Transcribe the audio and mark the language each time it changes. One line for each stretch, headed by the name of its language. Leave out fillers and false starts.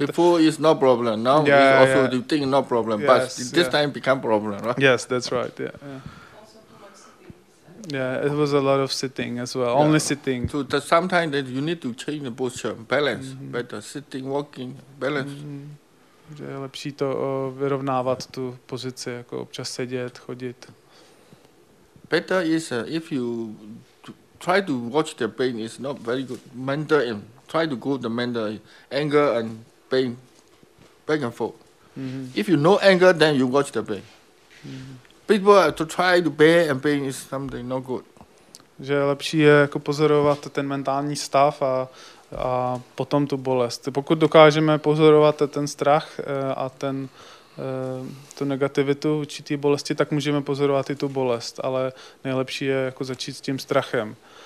English: before is no problem. Now you think no problem, yes, but this time become problem, right? Yes, that's right. Yeah. It was a lot of sitting as well. Yeah. Only sitting. So the sometimes that you need to change the posture, balance, better sitting, walking, balance.
Czech: Je lepší to vyrovnávat tu pozici, jako občas sedět, chodit.
English: Better is if you try to watch the pain, it's not very good. Mental, and try to go the mental, anger and pain, back and forth. Mm-hmm. If you know anger, then you watch the pain. Mm-hmm. People to try to bear and pain is something not good.
Czech: Že lepší je jako pozorovat ten mentální stav a potom tu bolest. Pokud dokážeme pozorovat ten strach a ten tu negativitu určitý bolesti, tak můžeme pozorovat i tu bolest, ale nejlepší je jako začít s tím strachem.